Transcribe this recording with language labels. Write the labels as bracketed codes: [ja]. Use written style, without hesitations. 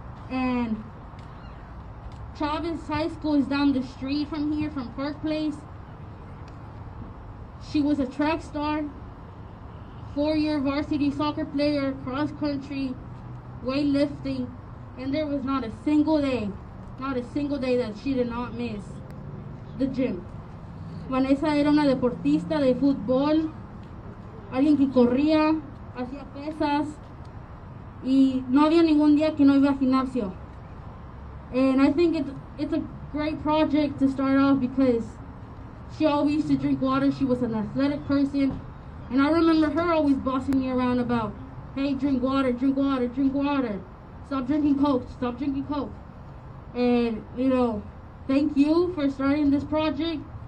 [en] And Travis High School is down the street from here, from Park Place. She was a track star, 4-year varsity soccer player, cross country, weightlifting, and there was not a single day that she did not miss the gym. [es] Vanessa era una deportista de fútbol, alguien que corría, hacía pesas, y no había ningún día que no iba al gimnasio. [en] And I think it's a great project to start off because she always used to drink water. She was an athletic person. And I remember her always bossing me around about, hey, drink water, drink water, drink water. Stop drinking Coke, stop drinking Coke. And, you know, thank you for starting this project.